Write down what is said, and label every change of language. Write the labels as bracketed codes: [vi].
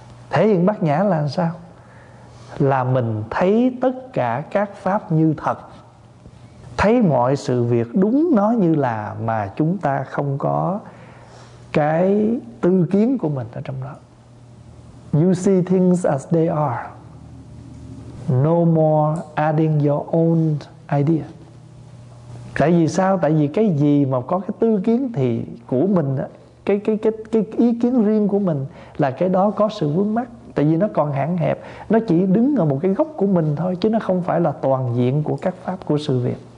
[vi] Thể hiện bát nhã là sao? Là mình thấy tất cả các pháp như thật, thấy mọi sự việc đúng nó như là, mà chúng ta không có cái tư kiến của mình ở trong đó. [en] You see things as they are, no more adding your own idea. [vi] Tại vì sao? Tại vì cái gì mà có cái tư kiến thì của mình á, cái ý kiến riêng của mình là cái đó có sự vướng mắc. Tại vì nó còn hạn hẹp, nó chỉ đứng ở một cái góc của mình thôi, chứ nó không phải là toàn diện của các pháp của sự việc.